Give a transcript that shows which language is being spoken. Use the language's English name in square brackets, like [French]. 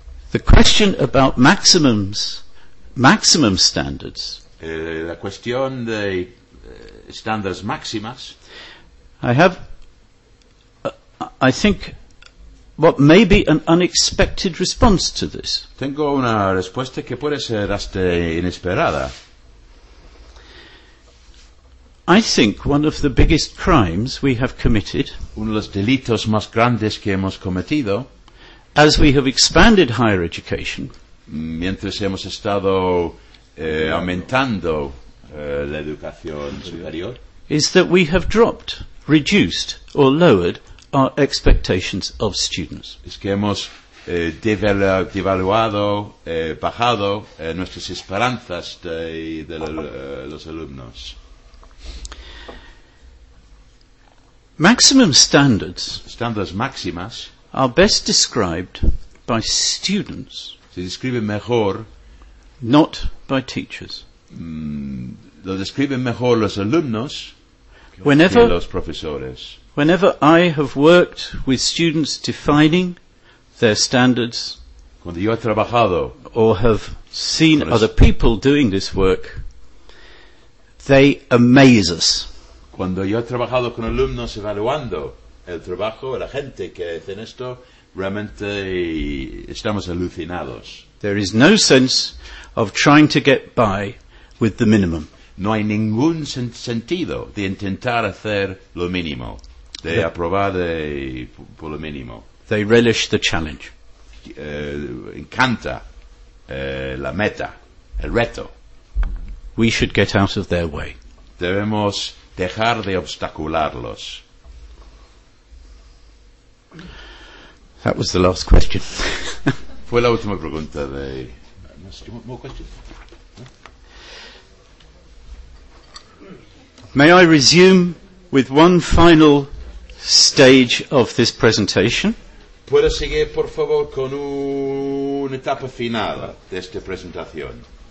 [English] The question about maximum standards. [Spanish] La cuestión de standards máximas. [English] I think what may be an unexpected response to this. [Spanish] Tengo una respuesta que puede ser hasta inesperada. [English] I think one of the biggest crimes we have committed. [Spanish] Uno de los delitos más grandes que hemos cometido. [English] As we have expanded higher education, [Spanish] mientras hemos estado aumentando la educación superior, [English] is that we have dropped, reduced, or lowered our expectations of students. [Spanish] Es que hemos devaluado, bajado nuestras esperanzas de los alumnos. [English] Maximum standards. [Spanish] Standards máximas. [English] Are best described by students. [Spanish] Se describe mejor, [English] not by teachers. [Spanish] Lo describen mejor los alumnos [English] whenever, [Spanish] que los profesores. [English] Whenever I have worked with students defining their standards, [Spanish] cuando yo he trabajado, [English] or have seen other people doing this work, they amaze us. [Spanish] Cuando yo he trabajado con alumnos evaluando el trabajo, la gente que hace esto, realmente estamos alucinados. [English] There is no sense of trying to get by with the minimum. [Spanish] No hay ningún sentido de intentar hacer lo mínimo, de aprobar por lo mínimo. [English] They relish the challenge. [Spanish] Encanta la meta, el reto. [English] We should get out of their way. [Spanish] Debemos dejar de obstacularlos. [English] That was the last question. [Spanish] Fue la última pregunta de... [English] More questions? May I resume with one final stage of this presentation? [Spanish] ¿Puedo seguir, por favor, con una etapa final de esta presentación?